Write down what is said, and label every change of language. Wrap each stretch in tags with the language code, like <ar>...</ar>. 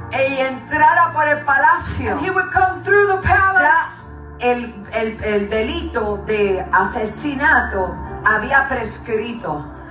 <es>y entrara por el palacio,</es> <en>he would come through the palace,</en> <es>ya el delito de asesinato había prescrito.</es>